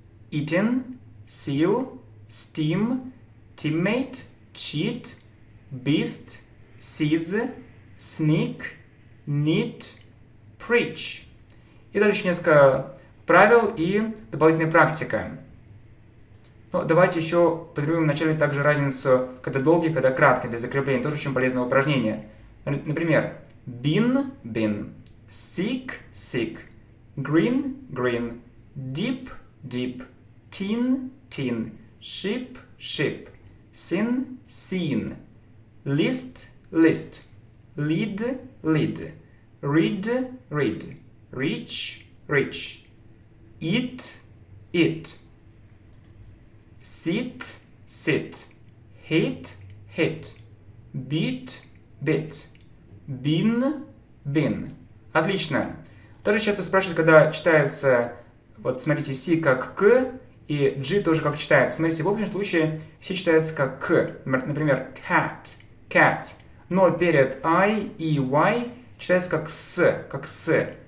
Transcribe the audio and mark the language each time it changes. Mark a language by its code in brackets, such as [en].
[en] Eating, seal, steam, teammate, cheat, beast, seize, sneak, knit, preach. [ru] И дальше несколько правил и дополнительная практика. Но давайте еще подберем вначале также разницу, когда долгий, когда краткий, для закрепления. Тоже очень полезное упражнение. [en] Например, been, been, sick, sick, green, green, deep, deep, teen, teen, ship, ship, seen, seen, list, list, lead, lead, read, read, reach, reach, eat, eat, sit, sit, hit, hit, beat, beat, been, been. [ru] Отлично. Тоже часто спрашивают, когда читается, вот смотрите, си как к, и G тоже как читается. Смотрите, в общем случае C читается как К. Например, cat, cat. Но перед I и Y читается как С, как С.